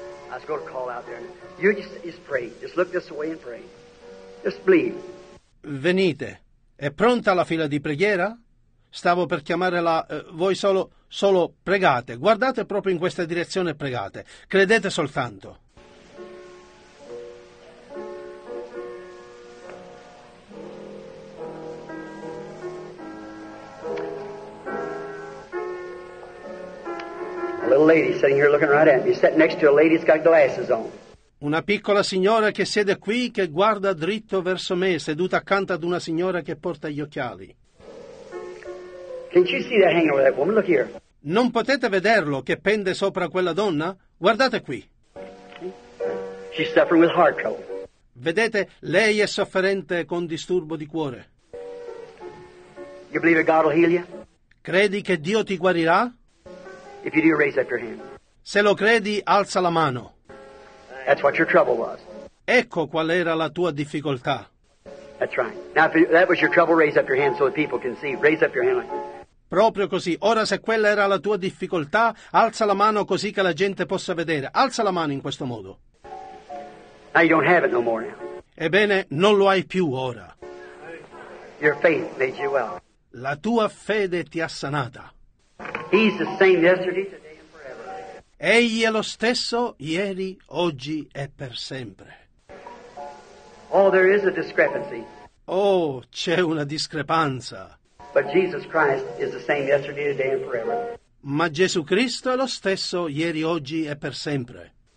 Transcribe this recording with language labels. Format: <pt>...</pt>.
<en>I was going to call out there. You just pray. Just look this way and pray. Just believe.</en> <it>Venite. È pronta la fila di preghiera? Stavo per chiamare la... voi solo pregate. Guardate proprio in questa direzione e pregate. Credete soltanto.</it> <en>A little lady sitting here looking right at me. Sitting next to a lady that's got glasses on.</en> <it>Una piccola signora che siede qui, che guarda dritto verso me, seduta accanto ad una signora che porta gli occhiali.</it> <en>Can't you see that hanging over that woman? Look here.</en> <it>Non potete vederlo che pende sopra quella donna? Guardate qui.</it> <en>She's suffering with heart trouble.</en> <it>Vedete, lei è sofferente con disturbo di cuore.</it> <en>You believe that God will heal you?</en> <it>Credi che Dio ti guarirà?</it> <en>If you do, raise up your hand.</en> <it>Se lo credi, alza la mano.</it> <en>That's what your trouble was.</en> <it>Ecco qual era la tua difficoltà.</it> <en>That's right. Now, if that was your trouble, raise up your hand so the people can see. Raise up your hand like this.</en> <it>Proprio così. Ora, se quella era la tua difficoltà, alza la mano così che la gente possa vedere. Alza la mano in questo modo.</it> <en>Now you don't have it no more now.</en> <it>Ebbene, non lo hai più ora.</it> <en>Your faith made you well.</en> <it>La tua fede ti ha sanata.</it> <en>He's the same yesterday, today, and forever.</en> <it>Egli è lo stesso ieri, oggi e per sempre.</it> <en>Oh, there is a discrepancy.</en> <it>Oh, c'è una discrepanza.</it> <en>But Jesus Christ is the same yesterday, today, and forever.</en> <it>ma Gesù Cristo è lo stesso ieri, oggi e per sempre.</it>